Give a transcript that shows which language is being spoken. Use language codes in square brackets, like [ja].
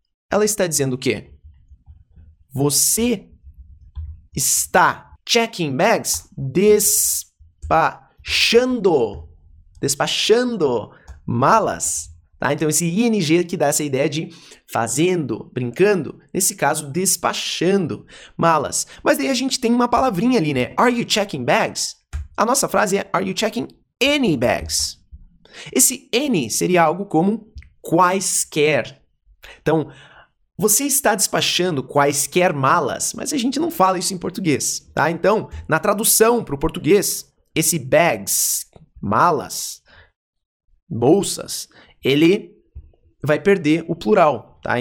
[pt] Ela está dizendo o quê? Você está checking bags, despachando malas, tá? Então, esse ing que dá essa ideia de fazendo, brincando, nesse caso, despachando malas. Mas daí a gente tem uma palavrinha ali, né? [en] Are you checking bags? [pt] A nossa frase é, are you checking any bags? Esse any seria algo como quaisquer. Então, você está despachando quaisquer malas, mas a gente não fala isso em português, tá? Então, na tradução para o português, esse bags, malas, bolsas, ele vai perder o plural, tá?